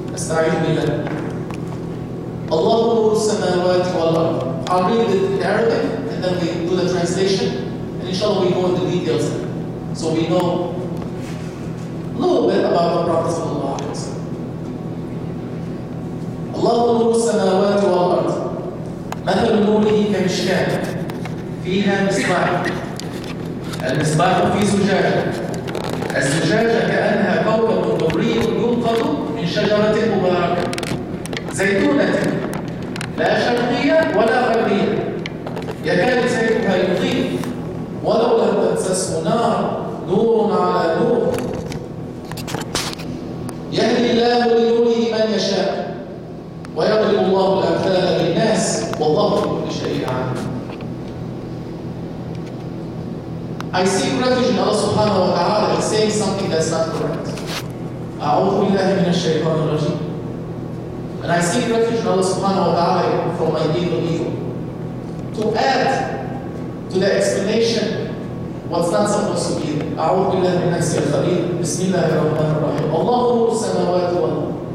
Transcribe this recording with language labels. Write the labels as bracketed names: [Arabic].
[Arabic] Astaghfiru billah. Allahu nuru samawati wal ard. [English] I'll read it in Arabic and then we do the translation and inshallah we go into details so we know a little bit about the Prophet sallallahu alayhi wa sallam. [Arabic] Allahu nuru samawati wal ard. مثل نوره كمشكاة فيها مصباح المصباح في زجاجة الزجاجة كأنها كوكب دوري ينقض من شجرة مباركة زيتونة لا شرقية ولا غربية يكاد زيتها يضيء ولو لم تمسسه نار نور على نور يهدي الله لنوره من يشاء ويضرب الله الأمثال للناس والله بكل شيء عليم. [English] I seek refuge in Allah subhanahu wa ta'ala in saying something that's not correct. [Arabic] أعوذ بالله من الشيطان الرجيم. [English] And I seek refuge in Allah subhanahu wa ta'ala from my evil ego. To add to the explanation what's not supposed to be. [Arabic] أعوذ بالله من نفسي الخبير. بسم الله الرحمن الرحيم. الله نور السماوات والأرض.